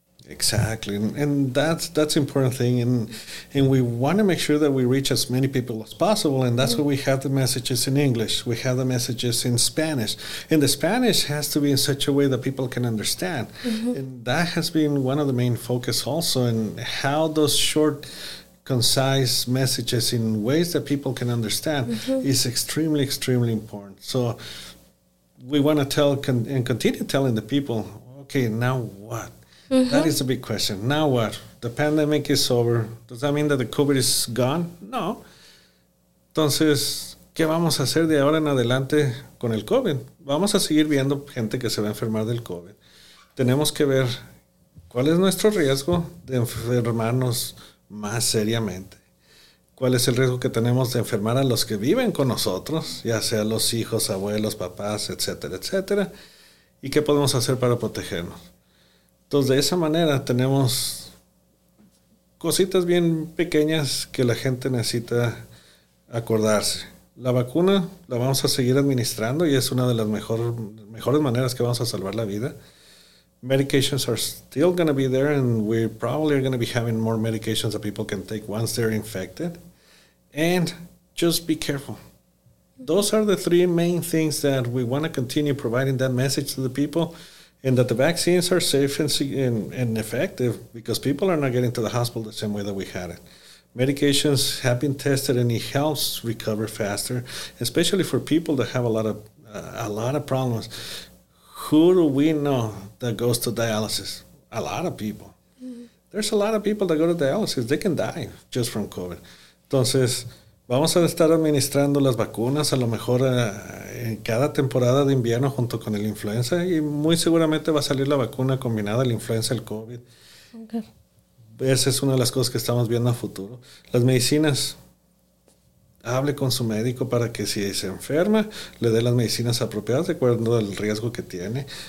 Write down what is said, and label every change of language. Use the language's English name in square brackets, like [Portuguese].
[English] Exactly, and that's an important thing, and we want to make sure that we reach as many people as possible, and that's why we have the messages in English, we have the messages in Spanish, and the Spanish has to be in such a way that people can understand, and that has been one of the main focus also, and how those short, concise messages in ways that people can understand is extremely, extremely important. So we want to tell and continue telling the people, okay, now what? That is a big question. Now what? The pandemic is over. Does that mean that the COVID is gone? No. [Spanish] Entonces, ¿qué vamos a hacer de ahora en adelante con el COVID? Vamos a seguir viendo gente que se va a enfermar del COVID. Tenemos que ver cuál es nuestro riesgo de enfermarnos más seriamente. ¿Cuál es el riesgo que tenemos de enfermar a los que viven con nosotros? Ya sea los hijos, abuelos, papás, etcétera, etcétera. ¿Y qué podemos hacer para protegernos? Entonces, de esa manera, tenemos cositas bien pequeñas que la gente necesita acordarse. La vacuna la vamos a seguir administrando y es una de las mejores maneras que vamos a salvar la vida. [English] Medications are still going to be there and we probably are going to be having more medications that people can take once they're infected. And just be careful. Those are the three main things that we want to continue providing that message to the people. And that the vaccines are safe and effective because people are not getting to the hospital the same way that we had it. Medications have been tested and it helps recover faster, especially for people that have a lot of problems. Who do we know that goes to dialysis? A lot of people. There's a lot of people that go to dialysis. They can die just from COVID. [Spanish] Entonces, vamos a estar administrando las vacunas a lo mejor en cada temporada de invierno junto con el influenza y muy seguramente va a salir la vacuna combinada, la influenza, el COVID. Okay. Esa es una de las cosas que estamos viendo a futuro. Las medicinas, hable con su médico para que si se enferma, le dé las medicinas apropiadas de acuerdo al riesgo que tiene.